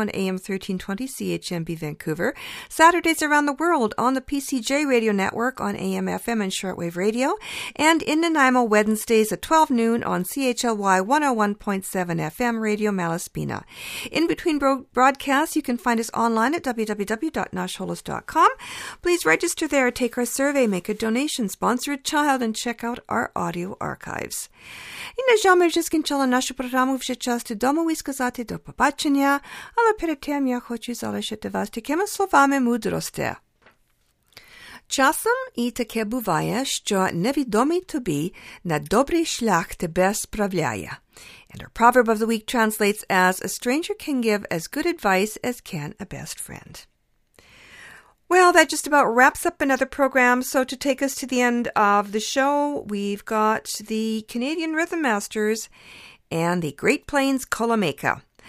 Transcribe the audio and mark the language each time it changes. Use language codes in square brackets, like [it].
[en] on AM 1320 CHMB Vancouver, Saturdays around the world on the PCJ Radio Network on AM, FM, and shortwave radio, and in Nanaimo Wednesdays at 12 noon on CHLY 101.7 FM Radio Malaspina. In between broadcasts, you can find us online at www.nashholos.com. Please register there, take our survey, make a donation, sponsor a child, and check out our audio archives. [uk] І на жаль, ми вже скінчили нашу програму вже часто дому і сказати до побачення, але перед тим я хочу залишити вас такими словами мудрості. Часом і таке буває, що невідомий тобі на добрий шлях тебе справляє. [en] And our proverb of the week translates as, a stranger can give as good advice as can a best friend. Well, that just about wraps up another program. So to take us to the end of the show, we've got the Canadian Rhythm Masters and the Great Plains Kolomeka.